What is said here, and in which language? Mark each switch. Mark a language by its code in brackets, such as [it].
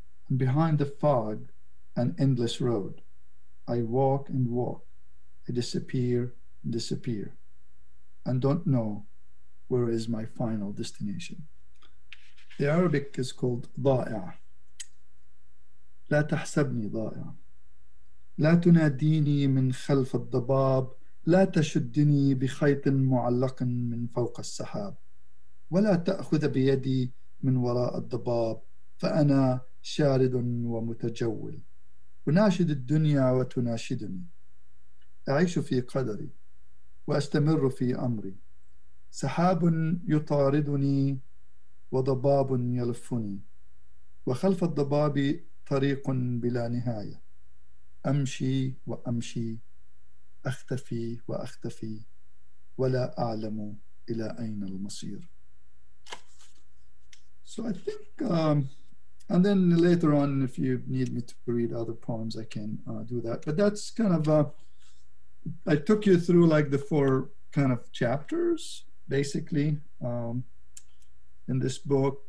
[en] And behind the fog, an endless road. I walk and walk, I disappear and disappear, and don't know where is my final destination. The Arabic is called ضائع. [ar] لا تحسبني ضائع. لا تناديني من خلف الضباب. لا تشدني بخيط معلق من فوق السحاب. ولا تأخذ بيدي من وراء الضباب، فأنا شارد ومتجول. أناشد الدنيا وتناشدني. أعيش في قدري وأستمر في أمري. سحاب يطاردني وضباب يلفني، وخلف الضباب طريق بلا نهاية. أمشي وأمشي، أختفي وأختفي، ولا أعلم إلى أين المصير. [en] So I think, and then later on, if you need me to read other poems, I can do that. But that's kind of, I took you through like the four kind of chapters, basically, in this book.